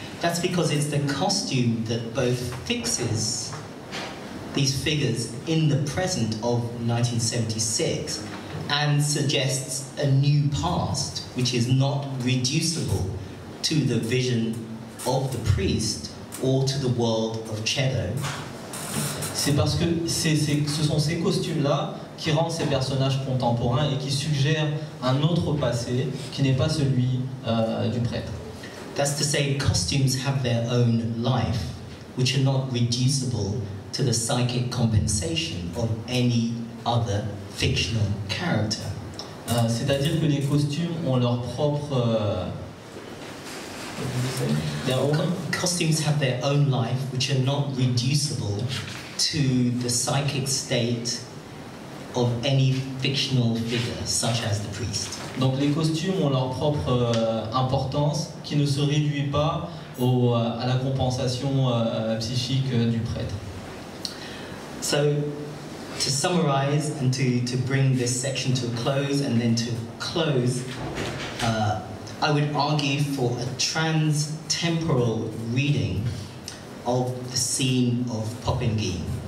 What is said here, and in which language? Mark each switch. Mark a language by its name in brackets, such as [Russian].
[English] That's because it's the costume that both fixes these figures in the present of 1976 and suggests a new past which is not reducible to the vision of the priest or to the world of Chedo. [French] C'est parce que ce sont ces costumes-là qui rendent ces personnages contemporains et qui suggèrent un autre passé qui n'est pas celui du prêtre. [English] That's to say, costumes have their own life, which are not reducible to the psychic compensation of any other fictional character. [French] C'est-à-dire que les costumes ont leur propre... [English] Costumes have their own life, which are not reducible to the psychic state of any fictional figure, such as the priest. [French] Donc les costumes ont leur propre importance qui ne se réduit pas à la compensation psychique du prêtre. [English] So, to summarize and to bring this section to a close and then to close, I would argue for a trans-temporal reading of the scene of Popinguin.